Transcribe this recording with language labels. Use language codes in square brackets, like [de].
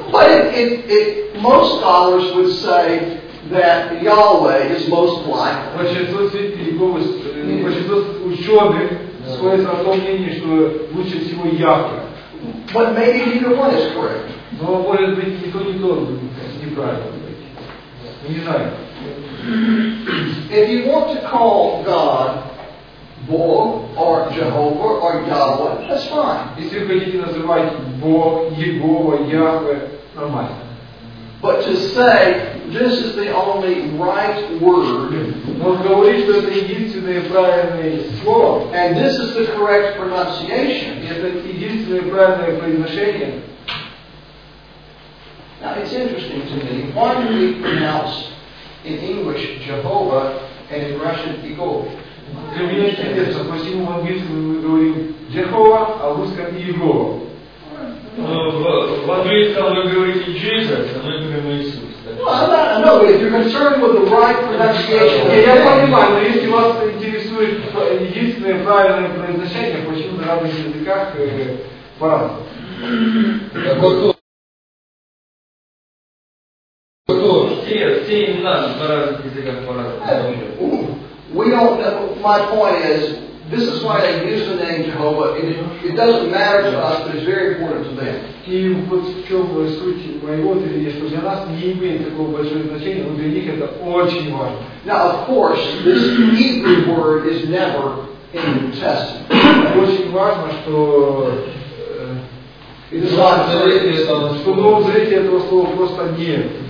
[en] But it most scholars would say that Yahweh is most likely. [ru] Большинство святых, большинство ученых сходятся на том мнении, что лучше всего Яхве. [en] But maybe neither one is correct. [ru] Но может быть никто не тот неправильный. Не знаю. [en] If you want to call God Бог, or Jehovah, or Yahweh, that's fine. [ru] Если вы хотите называть Бог, Егова, Яхве, нормально. [en] But to say, this is the only right word, [ru] но говорить, что это единственное правильное слово, [en] and this is the correct pronunciation, [ru] это единственное правильное произношение. [en] Now, it's interesting to me, why do we pronounce in English Jehovah and in Russian Егова? [ru] Для меня интересно, почему в английском мы говорим Jehovah, а в русском Иегова? В английском вы говорите Jesus, а мы говорим Иисус. [en] No, if you're concerned with the right pronunciation. [ru] Я понимаю, но если вас интересует единственное правильное произношение, почему на разных языках по-разному? Все имена на разных языках по-разному. [en] My point is, this is why they use the name Jehovah. It doesn't matter to us, but it's very important to them. [ru] И вот в чем суть моего движения, что для нас не имеет такого большого значения, но для них это очень важно. [en] Now, of course, this Hebrew word is never in the Testament. [ru] Очень важно, что что Новом Завете этого слова просто нет.